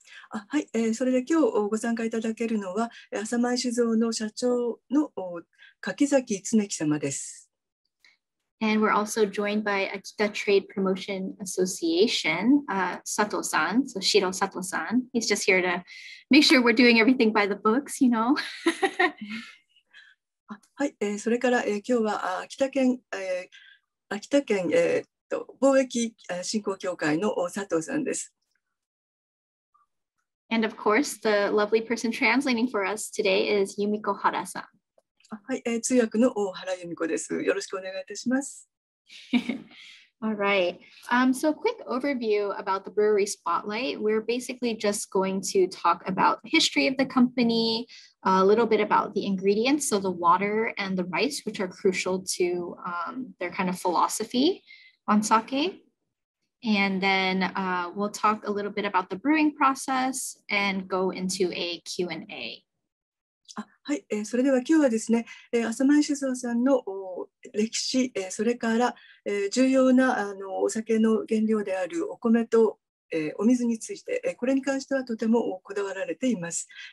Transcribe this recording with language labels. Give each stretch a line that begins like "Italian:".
Japanese: はい、それで今日ご参加いただけるのは、Asamai Shizu の社長の柿崎常樹様です。
English: And we're also joined by Akita Trade Promotion Association, Sato-san, so Shiro Sato-san. He's just here to make sure we're doing everything by the books, you know.
Japanese: はい、それから、今日は秋田県、貿易振興協会の佐藤さんです。
English: And of course, the lovely person translating for us today is Yumiko Hara-san.
Japanese: はい、通訳の大原由美子です。よろしくお願いいたします。
English: All right. So quick overview about the brewery spotlight. We're basically just going to talk about the history of the company, a little bit about the ingredients, so the water and the rice, which are crucial to their kind of philosophy on sake. And then we'll talk a little bit about the brewing process and go into a Q&A.
Japanese: はい、それでは今日はですね、浅前酒造さんの歴史、それから、重要なお酒の原料であるお米と、お水について、これに関してはとてもこだわられています。